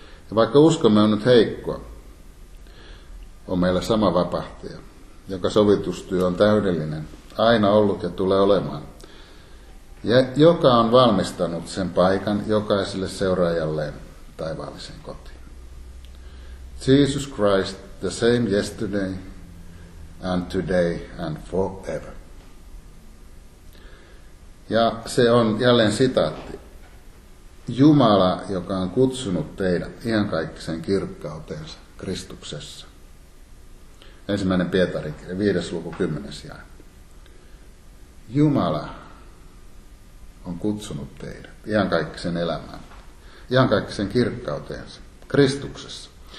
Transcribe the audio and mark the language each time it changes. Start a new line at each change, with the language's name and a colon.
Finnish: Ja vaikka uskomme on nyt heikkoa, on meillä sama vapahtaja, joka sovitustyö on täydellinen, aina ollut ja tulee olemaan. Ja joka on valmistanut sen paikan jokaiselle seuraajalleen taivaalliseen kotiin.
English: Jesus Christ, the same yesterday and today and forever.
Finnish: Ja se on jälleen sitaatti. Jumala, joka on kutsunut teidät iankaikkisen kirkkauteensa Kristuksessa. 1. Pietarin kirja, 5. luku, 10. jae. Jumala on kutsunut teidät iankaikkisen elämään, iankaikkisen kirkkauteensa, Kristuksessa.